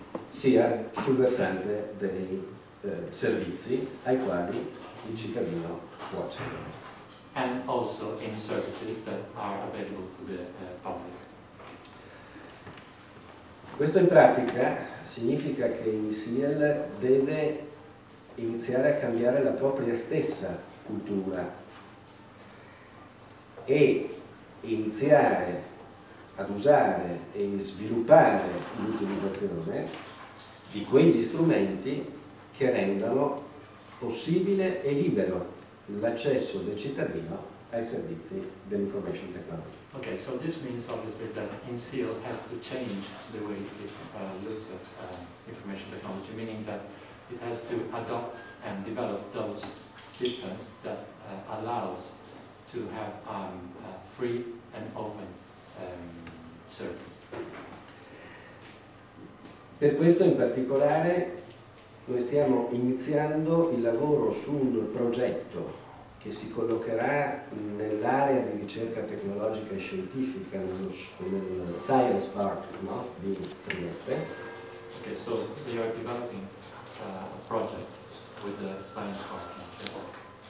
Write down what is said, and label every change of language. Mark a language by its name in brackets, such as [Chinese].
[Italian] Sia sul versante dei servizi ai quali il cittadino può accedere. [English] And also in services that are available to the public. [Italian] Questo in pratica significa che Insiel deve iniziare a cambiare la propria stessa cultura e iniziare ad usare e sviluppare l'utilizzazione di quegli strumenti che rendano possibile e libero l'accesso del cittadino ai servizi dell'information technology. [English] Okay, so this means obviously that Insiel has to change the way it looks at information technology, meaning that it has to adopt and develop those systems that allows to have a free and open service. [Italian] Per questo in particolare noi stiamo iniziando il lavoro su un progetto che si collocherà nell'area di ricerca tecnologica e scientifica, nel Science Park, no? Di Trieste. [English] Ok, so they are developing a project with the Science Park in Trieste.